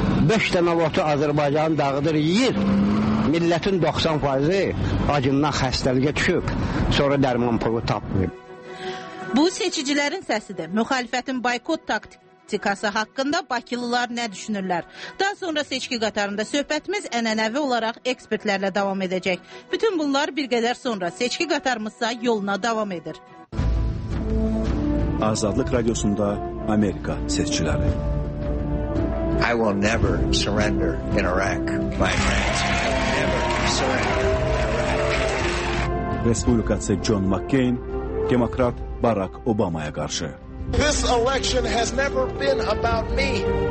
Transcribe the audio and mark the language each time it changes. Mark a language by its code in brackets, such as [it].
[az] 5 dənə votu Azərbaycan dağıdır, yiyir. Millətin 90% acından xəstəliyə düşüb, sonra dərman pulu tapmayıb. Bu seçicilərin səsidir. Müxalifətin boykot taktikası haqqında bakılılar nə düşünürlər? Daha sonra seçki qatarında söhbətimiz ənənəvi olaraq ekspertlərlə davam edəcək. Bütün bunlar bir qədər sonra seçki qatarımızsa yoluna davam edir. Azadlıq radiosunda Amerika seçiciləri. [en] I will never surrender in Iraq, my friends. [az] Respublikaçı John McCain, demokrat Barack Obama'ya qarşı. [en] This election has never been about me.